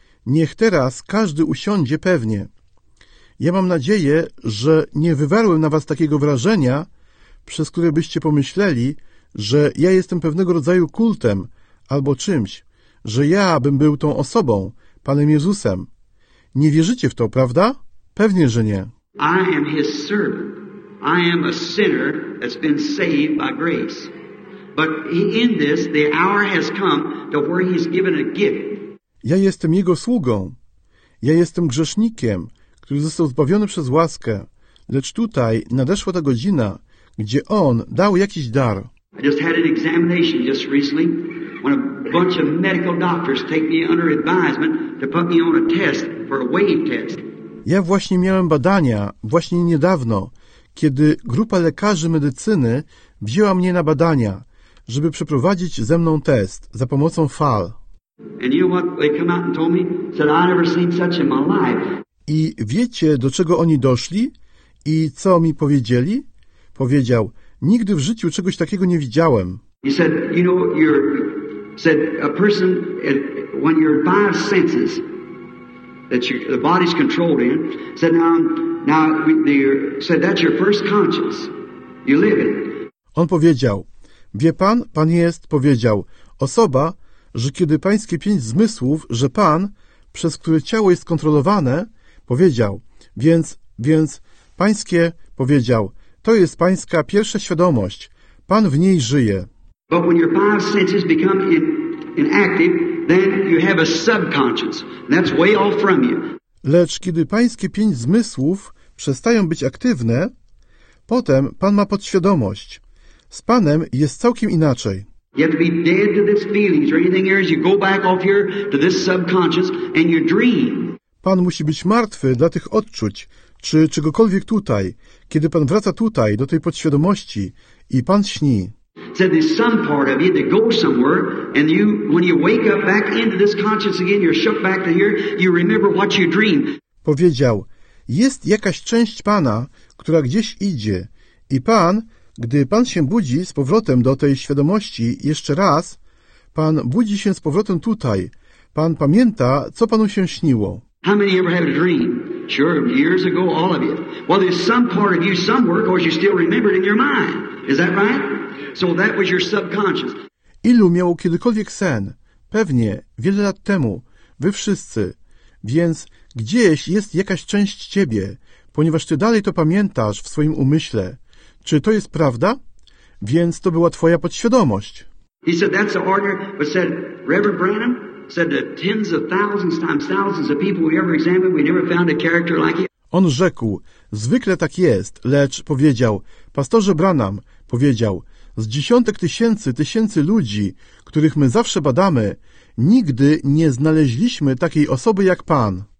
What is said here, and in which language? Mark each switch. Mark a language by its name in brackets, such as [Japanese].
[Polish] Niech teraz każdy usiądzie pewnie. Ja mam nadzieję, że nie wywarłem na was takiego wrażenia, przez które byście pomyśleli, że ja jestem pewnego rodzaju kultem albo czymś, że ja bym był tą osobą, Panem Jezusem. Nie wierzycie w to, prawda? Pewnie, że nie. [English] I am his servant. I am a sinner that's been saved by grace. But in this, the hour has come to where he's given a gift. [Polish] Ja jestem jego sługą. Ja jestem grzesznikiem, który został zbawiony przez łaskę. Lecz tutaj nadeszła ta godzina, gdzie on dał jakiś dar. [English] I just had an examination just recently when a bunch of medical doctors take me under advisement to put me on a test for a weight test. [Polish] Ja właśnie miałem badania, właśnie niedawno, kiedy grupa lekarzy medycyny wzięła mnie na badania, żeby przeprowadzić ze mną test za pomocą fal. [English] And you know what they come out and told me? Said I never seen such in my life. [Polish] I wiecie, do czego oni doszli? I co mi powiedzieli? Powiedział, nigdy w życiu czegoś takiego nie widziałem. [English] He said, you know, a person, when your five senses that the body's controlled in, said now that's your first conscience. You live in. [Polish] On powiedział, wie pan jest, powiedział, osoba, że kiedy pańskie pięć zmysłów, że pan, przez które ciało jest kontrolowane, powiedział, więc pańskie, powiedział, to jest pańska pierwsza świadomość. Pan w niej żyje. [English] But when your five senses become inactive, then you have a subconscious. That's way off from you. [Polish] Lecz kiedy pańskie pięć zmysłów przestają być aktywne, potem pan ma podświadomość. Z panem jest całkiem inaczej. [English] You have to be dead to these feelings or anything else. You go back off here to this subconscious and you dream. [Polish] Pan musi być martwy dla tych odczuć, czy czegokolwiek tutaj, kiedy pan wraca tutaj, do tej podświadomości i pan śni. [English] Said there's some part of you that goes somewhere and you, when you wake up back into this conscious again, you're shook back to here, you remember what you dreamed. [Polish] Powiedział, jest jakaś część Pana, która gdzieś idzie i Pan, gdy Pan się budzi z powrotem do tej świadomości jeszcze raz, Pan budzi się z powrotem tutaj. Pan pamięta, co Panu się śniło. [English] How many ever had a dream? Sure, years ago, all of you. Well, there's some part of you somewhere, of course, you still remember it in your mind. Is that right? So that was your subconscious. [Polish] Ilu miało kiedykolwiek sen? Pewnie, wiele lat temu. Wy wszyscy. Więc gdzieś jest jakaś część ciebie, ponieważ ty dalej to pamiętasz w swoim umyśle. Czy to jest prawda? Więc to była twoja podświadomość. [English] He said, that's the order, but said, Reverend Branham, said that tens of thousands times thousands of people we ever examined, we never found a character like it. [Polish] On rzekł, zwykle tak jest, lecz powiedział, pastorze Branham, powiedział, z dziesiątek tysięcy, tysięcy ludzi, których my zawsze badamy, nigdy nie znaleźliśmy takiej osoby jak Pan.